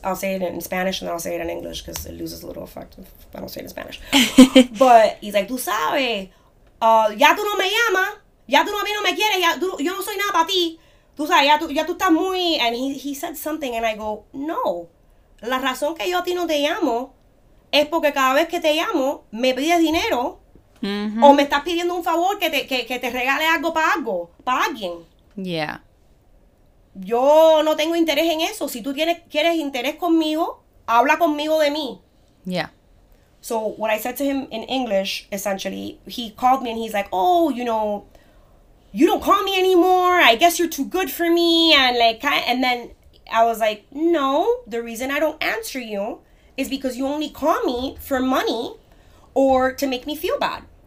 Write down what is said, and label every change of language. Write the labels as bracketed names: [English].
[English] I'll say it in Spanish and then I'll say it in English because it loses a little effect if I don't say it in Spanish. But he's like, [Spanish] tú sabes, ya tú no me llamas, ya tú no a mí no me quieres, ya tú, yo no soy nada para ti. Tú sabes, ya tú estás muy. [English] And he said something and I go, no. [Spanish] La razón que yo a ti no te llamo es porque cada vez que te llamo me pides dinero. [English] Mm-hmm. [Spanish] O me estás pidiendo un favor que te regale algo, para alguien. [English] Yeah. [Spanish] Yo no tengo interés en eso. Si tú quieres interés conmigo, habla conmigo de mí. [English] Yeah. So what I said to him in English, essentially, he called me and he's like, oh, you know, you don't call me anymore. I guess you're too good for me. And like, and then I was like, no, the reason I don't answer you is because you only call me for money or to make me feel bad.